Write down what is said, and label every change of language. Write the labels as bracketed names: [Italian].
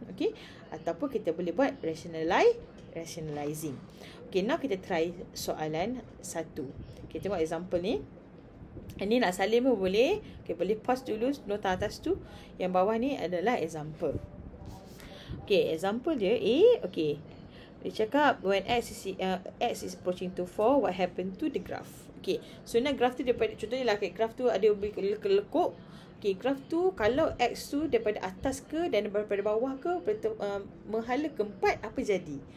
[Malay] Okay, ataupun kita boleh buat rationalizing. Okay, now kita try soalan satu. Okay, tengok example ni. Ini nak salin pun boleh. Okay, boleh pause dulu nota atas tu. Yang bawah ni adalah example. Okay, example dia A. [English] Okay, [Malay] dia cakap [English] when x is approaching to 4, what happened to the graph? [Malay] Okay, so now graph tu daripada, contohnya lah, okay, graph tu ada lekuk. Okay, graph tu kalau x tu daripada atas ke dan daripada bawah ke menghala keempat, apa jadi?